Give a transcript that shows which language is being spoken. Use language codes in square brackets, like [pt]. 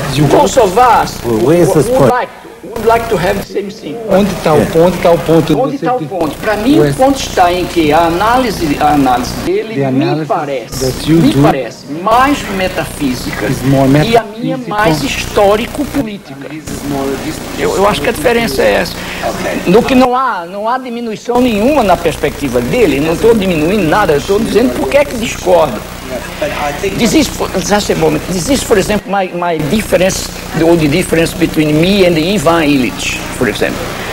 [en] Kosovars, would like to have the same thing. [pt] Onde está o ponto? Para mim, o ponto está em que a análise dele me parece mais metafísica e a minha mais histórico-política. Eu acho que a diferença é essa. No que não há diminuição nenhuma na perspectiva dele, não estou diminuindo nada, estou dizendo porque é que discordo. [en] This is, for example, my difference, or the difference between me and Ivan Illich, for example.